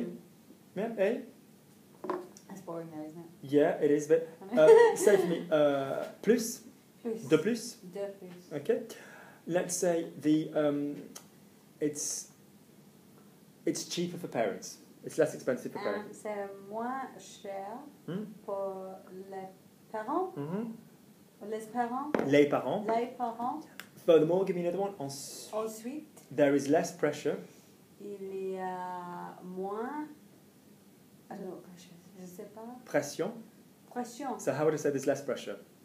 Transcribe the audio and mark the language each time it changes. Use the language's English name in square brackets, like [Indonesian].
[English] Mm. Yeah, A. That's boring now, isn't it? Yeah, it is, but, say for me, plus. [French] Plus. De plus. De plus. [English] Okay. Let's say the it's cheaper for parents. It's less expensive for parents. [French] C'est moins cher pour les parents. Mm-hmm. Les parents. Les parents. Les parents. [English] Furthermore, give me another one. [French] Ensuite. [English] There is less pressure. [French] Il y a moins. Je sais pas. Pression. Pression. [English] So how would I say there's less pressure?